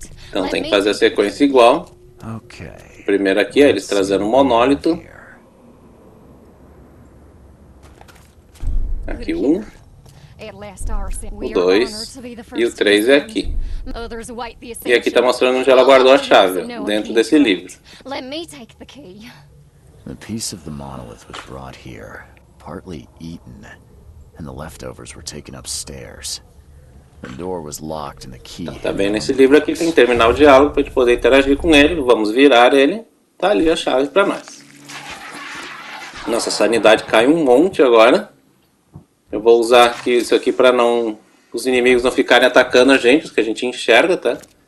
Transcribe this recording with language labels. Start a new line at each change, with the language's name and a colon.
Portuguese: Então tem que fazer a sequência igual. Primeiro aqui, ó, eles trazendo um monólito. Aqui um. O 2 e o 3 é aqui. E aqui está mostrando onde ela guardou a chave, dentro desse livro.
English: A piece of the monolith was brought here, partly eaten, and the leftovers were taken upstairs. The door was locked and the key.
Portuguese: Tá bem nesse livro aqui, tem que terminar o diálogo para a gente poder interagir com ele. Vamos virar ele. Tá ali a chave para nós. Nossa sanidade cai um monte agora. Eu vou usar aqui, isso aqui para não os inimigos não ficarem atacando a gente, os que a gente enxerga, tá?